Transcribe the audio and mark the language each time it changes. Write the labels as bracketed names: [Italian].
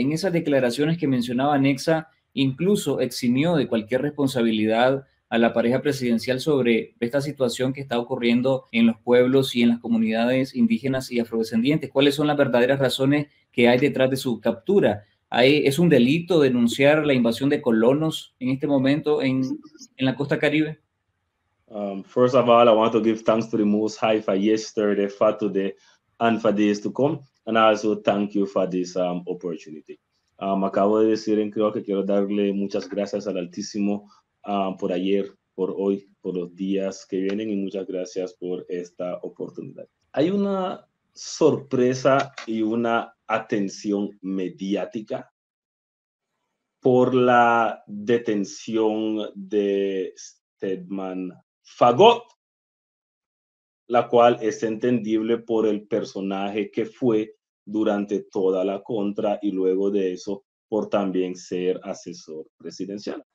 [Spanish] En esas declaraciones que mencionaba Anexa, incluso eximió de cualquier responsabilidad a la pareja presidencial sobre esta situación que está ocurriendo en los pueblos y en las comunidades indígenas y afrodescendientes. ¿Cuáles son las verdaderas razones que hay detrás de su captura? ¿Es un delito denunciar la invasión de colonos en este momento en la costa caribe? [English] First of all, I want to give thanks to the Most High for yesterday, for today, and for days to come, and also thank you for this opportunity. [Spanish] Acabo de decir en creo que quiero darle muchas gracias al Altísimo por ayer, por hoy, por los días que vienen, y muchas gracias por esta oportunidad. Hay una sorpresa y una atención mediática por la detención de Stedman Fagot, la cual es entendible por el personaje que fue durante toda la contra y luego de eso por también ser asesor presidencial.